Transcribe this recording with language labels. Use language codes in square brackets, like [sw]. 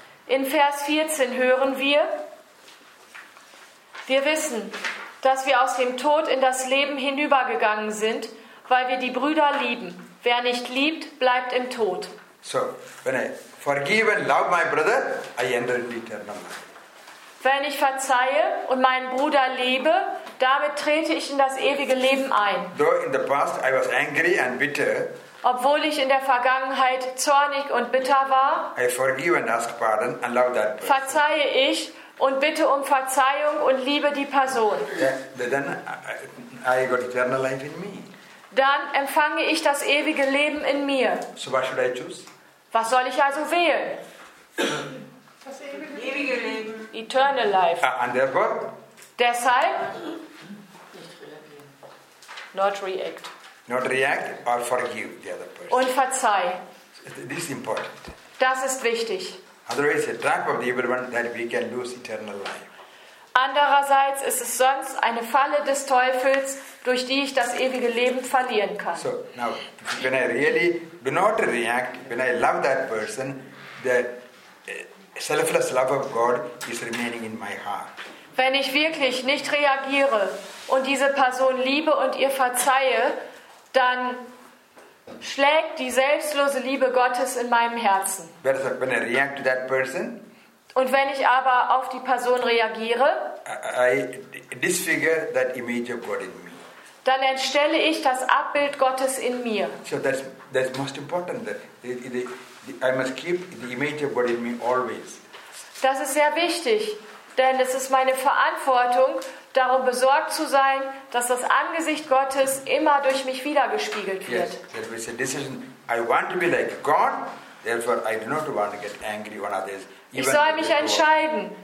[de] In Vers 14 hören wir: Wir wissen, dass wir aus dem Tod in das Leben hinübergegangen sind, weil wir die Brüder lieben. Wer nicht liebt, bleibt im Tod. [en] So, when I forgive and love my brother, I enter into eternal life. [de] Wenn ich verzeihe und meinen Bruder liebe, damit trete ich in das ewige Leben ein. [en] Though in the past I was angry and bitter, [de] obwohl ich in der Vergangenheit zornig und bitter war, [en] I forgive and ask pardon and love that person. [de] Verzeihe ich und bitte um Verzeihung und liebe die Person. [en] Yeah, then I got eternal life in me. [de] Dann empfange ich das ewige Leben in mir. [en] So what should I choose? [de] Was soll ich also wählen? Das ewige Leben. [en] Eternal life. And therefore? [de] Deshalb? Nicht reagieren. [en] Not react. Not react or forgive the other person. [de] Und verzeih. [en] This is important. [de] Das ist wichtig. [en] Otherwise, a trap of the evil one that we can lose eternal life. [de] Andererseits ist es sonst eine Falle des Teufels, durch die ich das ewige Leben verlieren kann. [en] So, now, when I really do not react, when I love that person, the selfless love of God is remaining in my heart. [de] Wenn ich wirklich nicht reagiere und diese Person liebe und ihr verzeihe, dann schlägt die selbstlose Liebe Gottes in meinem Herzen. [en] When I react to that person, [de] und wenn ich aber auf die Person reagiere, [en] I disfigure that image of God in me. [de] Dann entstelle ich das Abbild Gottes in mir. [en] So that's most important. I must keep the image of God in me always. [de] Das ist sehr wichtig, denn es ist meine Verantwortung, darum besorgt zu sein, dass das Angesicht Gottes immer durch mich wiedergespiegelt wird. [en] Yes, that is a decision. I want to be like God, therefore I do not want to get angry on others. [de] Ich soll mich entscheiden.